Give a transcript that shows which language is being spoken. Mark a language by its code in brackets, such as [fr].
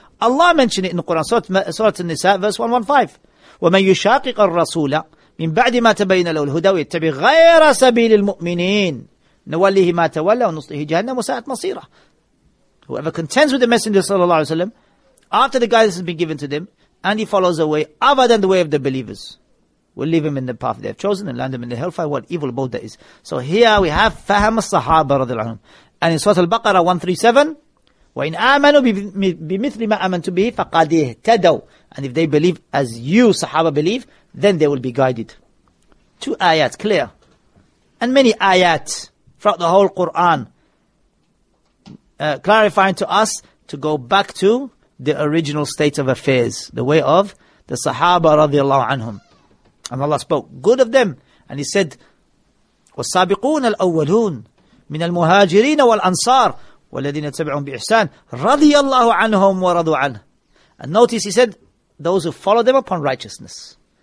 [en] Allah mentioned it in the Quran, Surah An-Nisa, verse 115. [ar] وَمَن يُشَاقِقَ الرَّسُولَ مِن بَعْدِ مَا تَبَيْنَ لَهُ الْهُدَى وَيَتَّبِ غَيْرَ سَبِيلِ الْمُؤْمِنِينَ نَوَلِّهِ مَا تَوَلَّى وَنُصْلِهِ جَهَنَّمَ وَسَاءَتْ مَصِيرًا. [en] Whoever contends with the Messenger صلى الله عليه وسلم, after the guidance has been given to them, and he follows the way other than the way of the believers, we'll leave him in the path they have chosen and land him in the hellfire. What evil boat that is. So here we have Faham al-Sahaba radiallahu anhum. And in Surah Al-Baqarah 137, [ar] وَإِنْ آمَنُوا بِمِثْلِ مَا آمَنْتُ بِهِ فَقَدِ اهْتَدَوْا. [en] And if they believe as you, Sahaba, believe, then they will be guided. Two ayat, clear. And many ayat throughout the whole Quran clarifying to us to go back to the original state of affairs, the way of the Sahaba radiallahu anhum. And Allah spoke good of them. And He said, [ar] وَالسَّابِقُونَ الْأَوَّلُونَ مِنَ الْمُهَاجِرِينَ وَالْأَنصَارِ وَالَّذِينَ تَبِعُونَ بِإِحْسَانِ رَضِيَ اللَّهُ عَنْهُمْ وَرَضُوا عَنْهُ. [en] And notice He said, those who follow them upon righteousness.